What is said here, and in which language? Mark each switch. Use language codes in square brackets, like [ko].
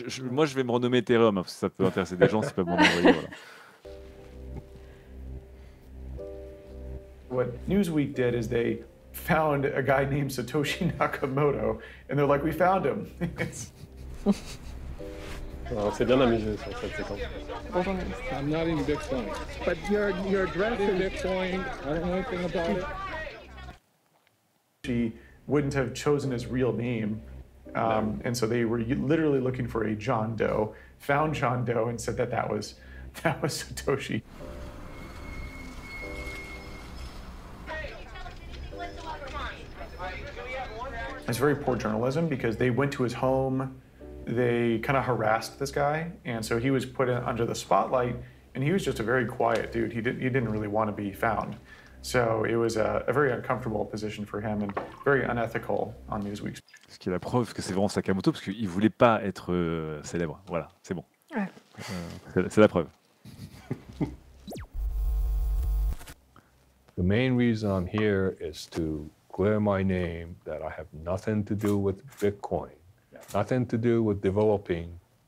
[fr] Moi, je vais me renommer Ethereum, parce que ça peut intéresser des gens, c'est pas bon. Voilà. [en] What Newsweek did is they found a guy named Satoshi Nakamoto, and they're like, we found him. [fr] C'est bien amusé, ça, cette séquence. [en] I'm not in Bitcoin. But your address is Bitcoin. I don't know anything about it. She wouldn't have chosen his real name. And so they were literally looking for a John Doe, found John Doe and said that was Satoshi. It's very poor journalism because they went to his home, they kind of harassed this guy. And so he was put under the spotlight and he was just a very quiet dude. He didn't really want to be found. So it was a very uncomfortable position for him and very unethical on Newsweek. [fr] Ce qui est la preuve que c'est vraiment Sakamoto parce qu'il voulait pas être célèbre. Voilà, c'est bon. Ouais. C'est la preuve. [en] The main reason I'm here is to clear my name that I have nothing to do with Bitcoin, nothing to do with developing.